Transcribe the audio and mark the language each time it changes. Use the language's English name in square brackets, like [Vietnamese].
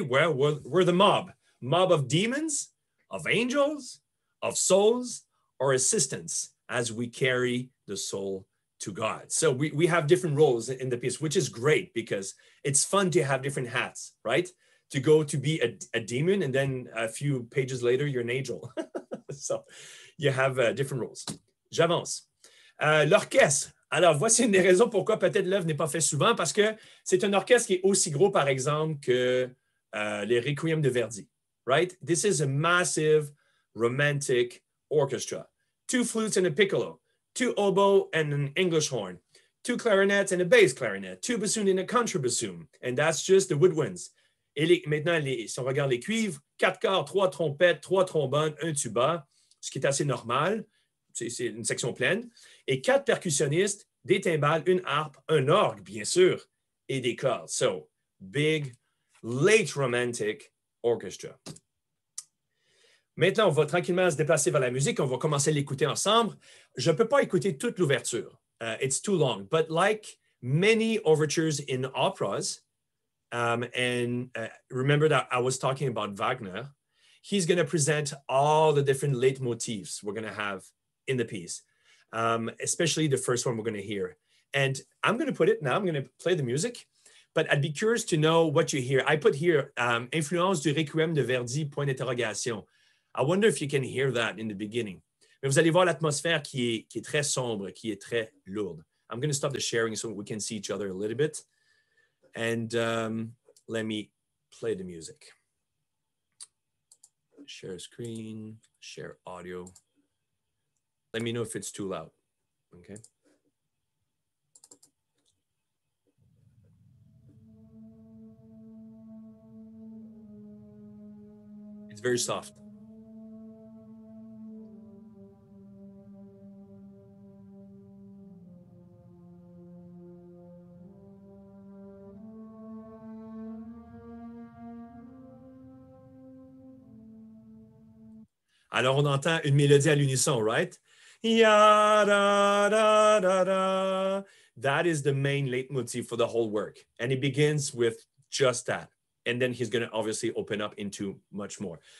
[English] Well, we're the mob. Mob of demons, of angels, of souls, or assistants as we carry the soul to God. So we have different roles in the piece, which is great because it's fun to have different hats, right? To go to be a demon and then a few pages later, you're an angel. So you have different roles. [French] J'avance. L'orchestre. Alors, voici une des raisons pourquoi peut-être l'œuvre n'est pas faite souvent, parce que c'est un orchestre qui est aussi gros, par exemple, que les Requiem de Verdi, right? [English] This is a massive romantic orchestra. 2 flutes and a piccolo, 2 oboe and an English horn, 2 clarinets and a bass clarinet, 2 bassoons and a contrabassoon, and that's just the woodwinds. [French] Et si on regarde les cuivres, 4 cordes, 3 trompettes, 3 trombones, 1 tuba, ce qui est assez normal, c'est une section pleine. Et 4 percussionnistes, des timbales, une harpe, un orgue, bien sûr, et des cordes. [English] So, big, late romantic orchestra. [French] Maintenant, on va tranquillement se déplacer vers la musique. On va commencer à l'écouter ensemble. Je ne peux pas écouter toute l'ouverture. [English] It's too long. But like many overtures in operas, remember that I was talking about Wagner, he's going to present all the different leitmotifs we're going to have in the piece. Especially the first one we're going to hear. And I'm going to put it now, I'm going to play the music, but I'd be curious to know what you hear. I put here, [French] influence du Requiem de Verdi, point d'interrogation. [English] I wonder if you can hear that in the beginning. [French] Mais vous allez voir l'atmosphère qui est très sombre, qui est très lourde. [English] I'm going to stop the sharing so we can see each other a little bit. And let me play the music. Share screen, share audio. Let me know if it's too loud, okay? It's very soft. [French] Alors, on entend une mélodie à l'unisson, right? Yeah, da, da, da, da. [English] That is the main leitmotif for the whole work. And it begins with just that. And then he's going to obviously open up into much more.